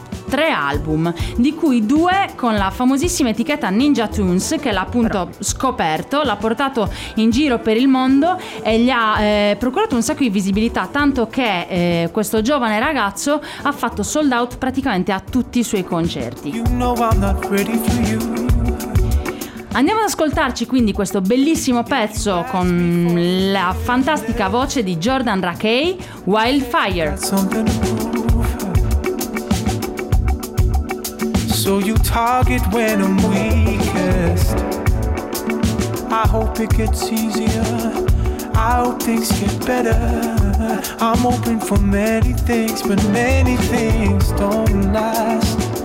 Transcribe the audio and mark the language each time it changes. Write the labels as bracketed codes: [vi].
[it] 3 album, di cui 2 con la famosissima etichetta Ninja Tunes, che l'ha appunto scoperto, l'ha portato in giro per il mondo e gli ha procurato un sacco di visibilità, tanto che questo giovane ragazzo ha fatto sold out praticamente a tutti i suoi concerti. [en] You know I'm not ready for you. [it] Andiamo ad ascoltarci quindi questo bellissimo pezzo con la fantastica voce di Jordan Rakey, Wildfire. [en] So you target when I'm weakest. I hope it gets easier. I hope things get better. I'm open for many things, but many things don't last.